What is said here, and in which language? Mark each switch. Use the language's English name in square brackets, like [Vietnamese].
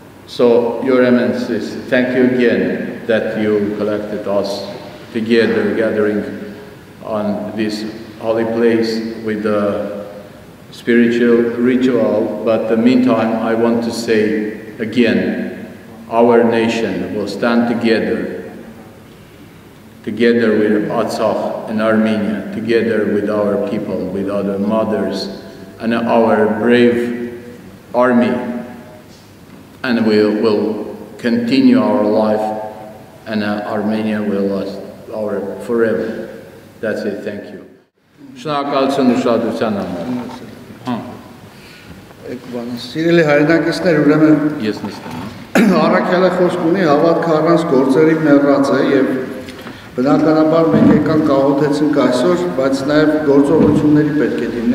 [English] So, Your Eminence, thank you again that you collected us together, gathering on this holy place with the spiritual ritual, but in the meantime I want to say again, our nation will stand together together with Artsakh and Armenia, together with our people, with other mothers, and our brave army, and we will continue our life, and Armenia will last our forever. That's it, thank you. [Armenian] Շնորհակալություն ուշադրության համար։ Եկվան, սիրելի հայրենակիցներ, ուրեմն ես նստեմ։ Առաքյալը խոսք ունի, հավատքը առանց գործերի մեռած է եւ բնականաբար մենք եկանք կահոթեցինք այսօր, բայց նաեւ գործողությունների պետք է